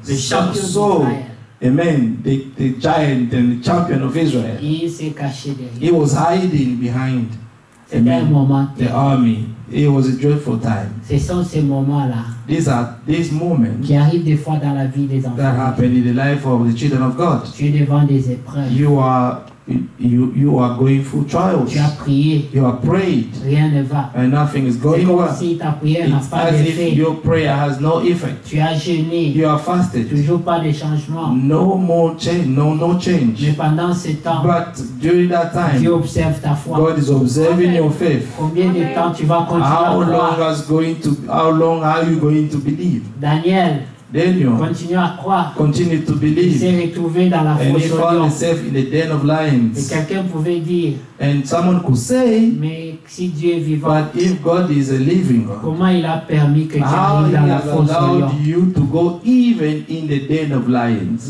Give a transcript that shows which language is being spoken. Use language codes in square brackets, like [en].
[fr] Le champion d'Israël. [en] Amen. The giant and the champion of Israel. [fr] Il s'est caché derrière. [en] He was hiding behind. [fr] C'était un moment. [en] The army. It was a dreadful time. [fr] Ce sont ces moments-là. [en] These are these moments. [fr] Qui arrivent des fois dans la vie des enfants. [en] That happen in the life of the children of God. [fr] Tu es devant des épreuves. [en] You are You are going through trials. [fr] Tu as prié. [en] You are prayed. [fr] Rien ne va. [en] And nothing is going well. [fr] Si ta prière n'a pas d'effet. [en] As if your prayer has no effect. [fr] Tu as jeûné. [en] You are fasted. [fr] Toujours pas de changement. [en] No more change. No change. [fr] Mais pendant ce temps, [en] but during that time, [fr] Dieu observe ta foi. [en] God is observing your faith. [fr] Combien de temps tu vas continuer à croire? [en] How long are you going to believe? [fr] Daniel. [en] Daniel [fr] continue à croire. [en] Continue to believe. [fr] Il s'est retrouvé dans la fosse aux lions. [en] And he found himself in the den of lions. [fr] Et quelqu'un pouvait dire. [en] And someone could say. [fr] Mais si Dieu est vivant. [en] But if God is a living God. [fr] Comment il a permis que tu ailles dans la fosse aux lions? [en] How he allowed you to go even in the den of lions?